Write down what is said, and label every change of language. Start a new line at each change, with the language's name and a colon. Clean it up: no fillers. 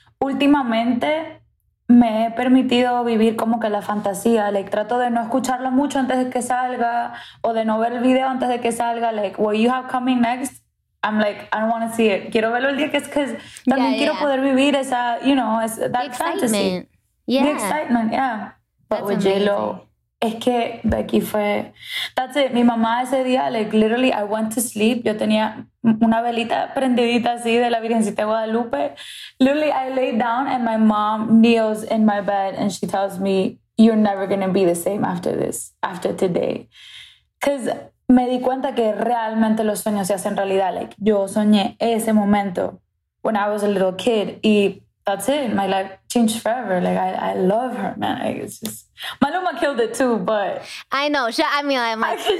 Spanish: Últimamente, me he permitido vivir como que la fantasía. Like, trato de no escucharlo mucho antes de que salga, o de no ver el video antes de que salga.
English: Like, what you have coming next, I'm like, I don't want to see it.
Spanish: Quiero verlo el día que es que también quiero poder vivir esa,
English: you know, that the excitement. Fantasy. Yeah. The excitement, yeah. But that's with J-Lo,
Spanish: es que Becky fue,
English: that's it.
Spanish: Mi mamá ese día,
English: like, literally, I went to sleep.
Spanish: Yo tenía una velita prendidita así de la Virgencita de Guadalupe.
English: Literally, I laid down and my mom kneels in my bed and she tells me, you're never going to be the same after this, after today.
Spanish: Because me di cuenta que realmente los sueños se hacen realidad.
English: Like,
Spanish: yo soñé ese momento
English: when I was a little kid. Y that's it. My life changed forever. Like, I love her, man. Like, it's just... Maluma killed it too, but... I know. I mean, I'm like...